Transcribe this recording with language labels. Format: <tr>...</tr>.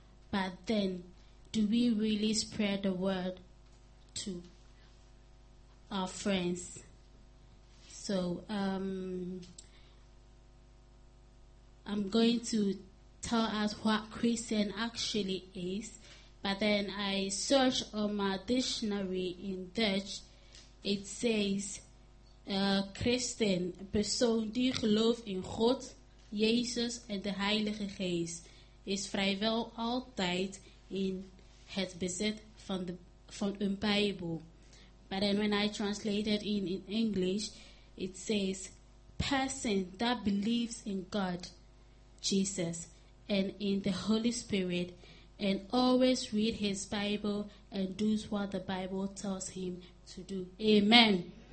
<en>But then, do we really spread the word to our friends? So, I'm going to tell us what Christian actually is. But then I searched on my dictionary in Dutch. It says,</en> <nl>Christen, persoon die gelooft in God, Jezus en de Heilige Geest, is vrijwel altijd in het bezit van een Bijbel.</nl> <en>But then when I translate it in English, it says, person that believes in God, Jesus, and in the Holy Spirit, and always read his Bible and does what the Bible tells him to do. Amen.</en>